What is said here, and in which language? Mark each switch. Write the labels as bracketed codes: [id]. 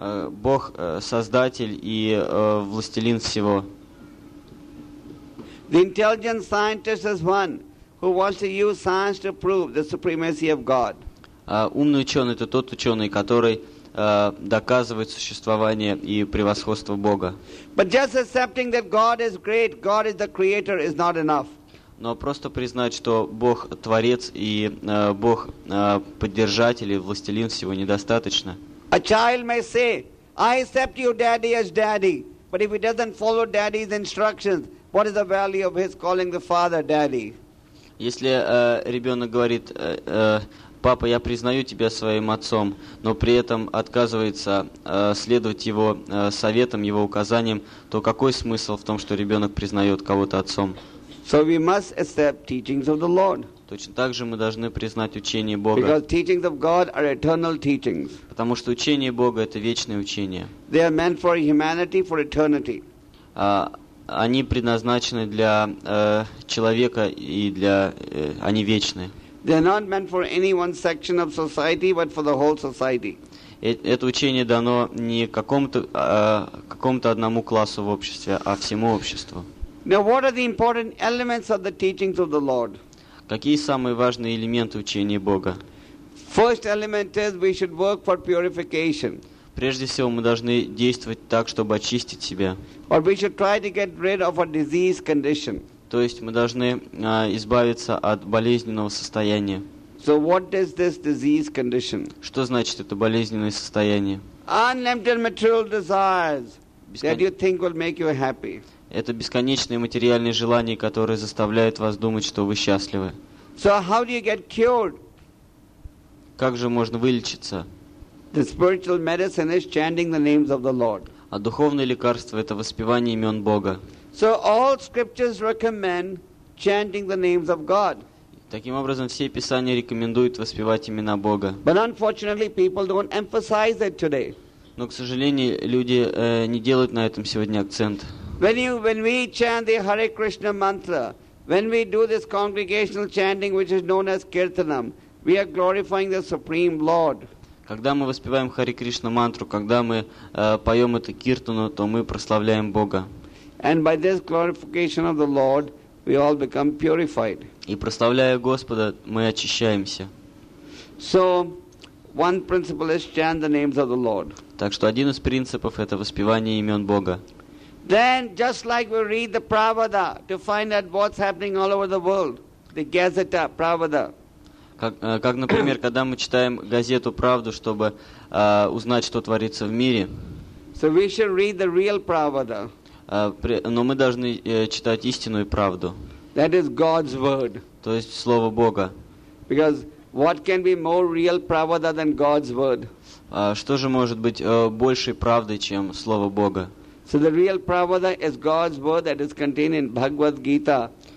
[ru] Бог создатель и властелин всего. [en] The intelligent scientist is one who wants to use science to prove the supremacy of God. [ru] Умный ученый — это тот ученый, который доказывает существование и превосходство Бога. [en] But just accepting that God is great, God is the creator, is not enough. [ru] Но просто признать, что Бог творец и Бог поддержатель и властелин всего, недостаточно. [en] A child may say, I accept your daddy as daddy, but if he doesn't follow daddy's instructions, what is the value of his calling the father daddy? [ru] Если ребенок говорит, папа, я признаю тебя своим отцом, но при этом отказывается следовать его советам, его указаниям, то какой смысл в том, что ребенок признает кого-то отцом? [en] So we must accept teachings of the Lord. [ru] Точно так же мы должны признать учение Бога. [en] Because teachings of God are eternal teachings. [ru] Потому что учение Бога — это вечное учение. [en] They are meant for humanity, for eternity. [ru] Они предназначены для человека и для... они вечны. [en] They are not meant for any one section of society, but for the whole society. [ru] Это учение дано не какому-то одному классу в обществе, а всему обществу. [en] Now, what are the important elements of the teachings of the Lord? [ru] Какие самые важные элементы учения Бога? [en] First element is we should work for purification. [ru] Прежде всего, мы должны действовать так, чтобы очистить себя. [en] Or we should try to get rid of a disease condition. [ru] То есть мы должны избавиться от болезненного состояния. [en] So what is this disease condition? [ru] Что значит это болезненное состояние? [en] Unlimited material desires that you think will make you happy. [ru] Это бесконечные материальные желания, которые заставляют вас думать, что вы счастливы. [en] So how do you get cured? [ru] Как же можно вылечиться? [en] The spiritual medicine is chanting the names of the Lord. [ru] А духовное лекарство — это воспевание имен Бога. [en] So all scriptures recommend chanting the names of God. [ru] Таким образом, все писания рекомендуют воспевать имена Бога. [en] But unfortunately, people don't emphasize it today. [ru] Но, к сожалению, люди не делают на этом сегодня акцент. [en] When we chant the Hare Krishna mantra, when we do this congregational chanting, which is known as Kirtanam, we are glorifying the Supreme Lord. [ru] Когда мы воспеваем Хари Кришна мантру, когда мы поем эту киртану, то мы прославляем Бога. [en] And by this glorification of the Lord, we all become purified. [ru] И прославляя Господа, мы очищаемся. [en] So, one principle is chant the names of the Lord. [ru] Так что один из принципов — это воспевание имен Бога. [en] Then, just like we read the Pravada to find out what's happening all over the world, the Gazetta Pravada. [ru] Как, например, когда мы читаем газету «Правду», чтобы узнать, что творится в мире. [en] So we should read the real Pravada. [ru] Но мы должны читать истинную правду. [en] That is God's word. [ru] То есть слово Бога. [en] Because what can be more real Pravada than God's word? [ru] Что же может быть большей правдой, чем слово Бога? [en] So the real Pravada is God's word that is contained in Bhagavad Gita.